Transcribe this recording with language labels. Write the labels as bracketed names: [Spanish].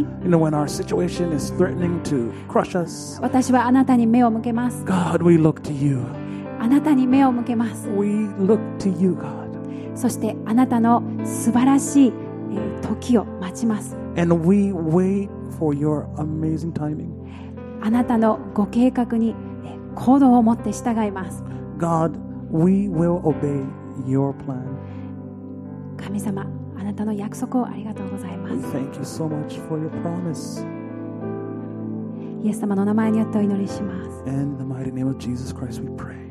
[English] You know, when our situation is threatening to crush us, [Japanese] 私はあなたに目を向けます。 [English] God, we look to you. [Japanese] あなたに目を向けます。 [English] We look to you, God. [Japanese] そしてあなたの素晴らしい時を待ちます。 [English] And we wait for your amazing timing. [Japanese] あなたのご計画に行動をもって従います。 [English] God, we will obey your plan. [Japanese] 神様、あなたの約束をありがとうございます。 [English] We thank you so much for your promise. [Japanese] イエス様の名前によってお祈りします。 [English] In the mighty name of Jesus Christ, we pray.